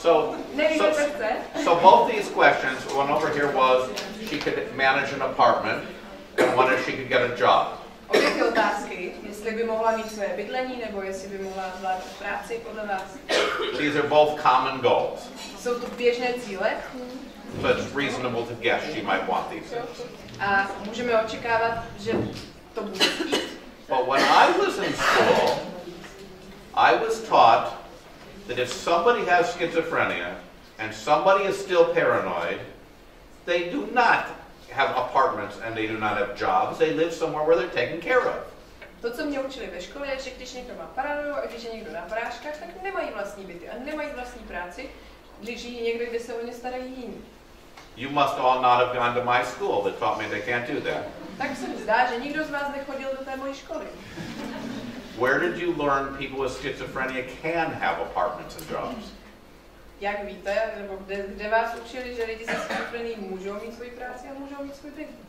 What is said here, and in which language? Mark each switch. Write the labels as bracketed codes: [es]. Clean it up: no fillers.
[en] So both these questions, one over here was she could manage an apartment, and one if she could get a job. [cs] Obě ty otázky, jestli by mohla mít své bydlení nebo jestli by mohla zvládat práci podle vás. [en] These are both common goals. [cs] Jsou to běžné cíle. [en] So it's reasonable to guess she might want these. [cs] A můžeme očekávat, že to bude. [en] But when I was in school, I was taught that if somebody has schizophrenia and somebody is still paranoid, they do not have apartments and they do not have jobs. They live somewhere where they're taken care of. [cs] To, co mě učili ve škole, je, že když někdo má paranoju a když je někdo na práškách, tak nemají vlastní byty a nemají vlastní práci, když žijí někde, kde se o ně starají jiní. [en] You must all not have gone to my school that taught me they can't do that. [cs] Tak se mi zdá, že nikdo z vás nechodil do té mojí školy. [en] Where did you learn people with schizophrenia can have apartments and jobs? [cs] Jak víte, nebo kde vás učili, že lidi se schizofrenií můžou mít svoji práci a můžou mít svůj byt?